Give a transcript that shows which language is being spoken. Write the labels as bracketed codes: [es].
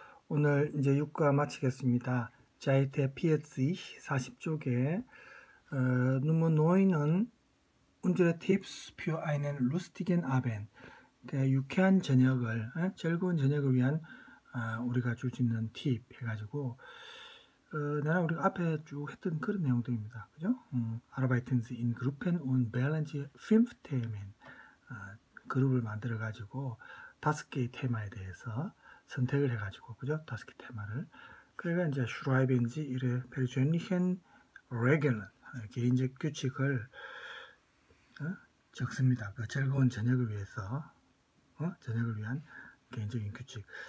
[ko] 오늘 이제 6과 마치겠습니다. [de] 자이테 PSE 40쪽에 Nummer 9은 Unsere Tipps für einen lustigen Abend. [ko] 유쾌한 저녁을, 즐거운 저녁을 위한 우리가 줄수 있는 팁 해가지고 나는 우리가 앞에 쭉 했던 그런 내용들입니다. 그죠? [de] Arbeiten Sie in Gruppen und wählen Sie fünf Themen. [ko] 그룹을 만들어가지고 다섯 개의 테마에 대해서 선택을 해가지고, 그죠? 다섯 개 테마를. 그러니까 이제 슈라이벤지 이래 페르젠니헨 레겔은 개인적 규칙을 적습니다. 그 즐거운 저녁을 위해서, 저녁을 위한 개인적인 규칙.